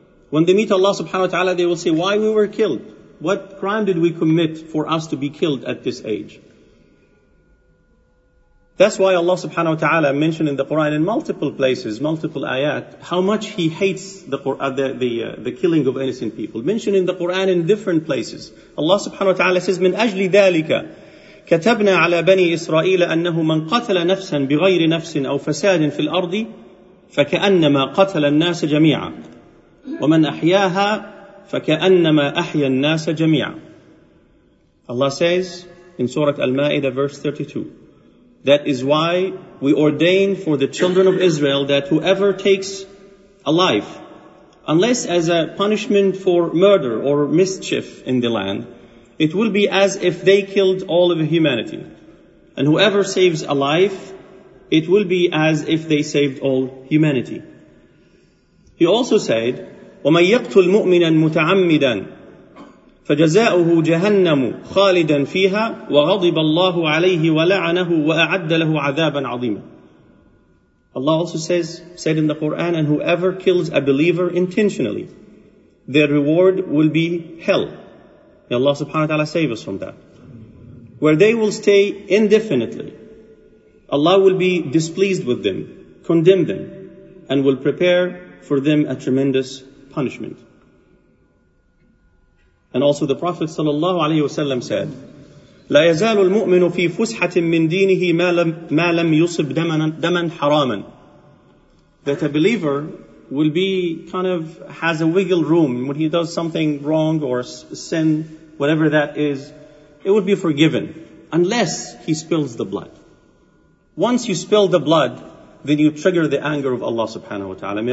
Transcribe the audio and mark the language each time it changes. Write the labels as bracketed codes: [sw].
[en] When they meet Allah subhanahu wa ta'ala, they will say, why we were killed? What crime did we commit for us to be killed at this age? That's why Allah subhanahu wa ta'ala mentioned in the Qur'an in multiple places, multiple ayat, how much He hates the killing of innocent people. Mentioned in the Qur'an in different places. Allah subhanahu wa ta'ala says, [ar] مِنْ أَجْلِ ذَلِكَ كتبنا على بني إسرائيل أنه من قتل نفسا بغير نفس أو فساد في الأرض فكأنما قتل الناس جميعا، ومن أحياها فكأنما أحيا الناس جميعا. [en] Allah says in Surah Al-Ma'idah verse 32, that is why we ordain for the children of Israel that whoever takes a life, unless as a punishment for murder or mischief in the land, it will be as if they killed all of humanity. And whoever saves a life, it will be as if they saved all humanity. He also said, [ar] وَمَنْ يَقْتُلْ مُؤْمِنًا مُتَعَمِّدًا فَجَزَاؤُهُ جَهَنَّمُ خَالِدًا فِيهَا وَغَضِبَ اللَّهُ عَلَيْهِ وَلَعَنَهُ وَأَعَدَّ لَهُ عَذَابًا عَظِيمًا. [en] Allah also said in the Quran, and whoever kills a believer intentionally, their reward will be hell. May Allah subhanahu wa ta'ala save us from that. Where they will stay indefinitely. Allah will be displeased with them, condemn them, and will prepare for them a tremendous punishment. And also the Prophet sallallahu alayhi wasallam said, [ar] لا يزال المؤمن في فسحة من دينه ما لم يصب دمًا حرامًا. [en] That a believer will be kind of has a wiggle room when he does something wrong or sin, whatever that is, it would be forgiven unless he spills the blood. Once you spill the blood, then you trigger the anger of Allah subhanahu wa ta'ala.